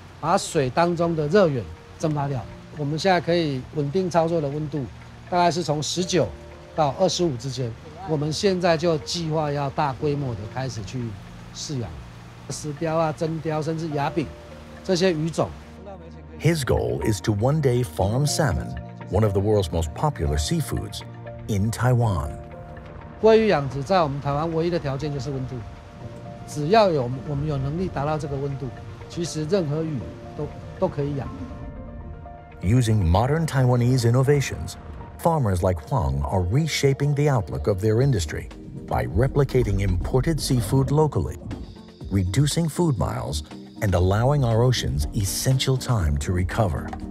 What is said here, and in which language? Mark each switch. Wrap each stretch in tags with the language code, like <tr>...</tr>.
<zh>把水当中的热源蒸发掉，我们现在可以稳定操作的温度大概是从19到25之间，我们现在就计划要大规模的开始去饲养石鲷啊、真鲷甚至蚜饼这些鱼种。</zh> <en>His goal is to one day farm salmon, one of the world's most popular seafoods, in Taiwan.</en> <zh>鲑鱼养殖在我们台湾唯一的条件就是温度，只要有我们有能力达到这个温度，其实任何鱼都可以养。</zh> <en>Using modern Taiwanese innovations, farmers like Huang are reshaping the outlook of their industry by replicating imported seafood locally, reducing food miles, and allowing our oceans essential time to recover.</en>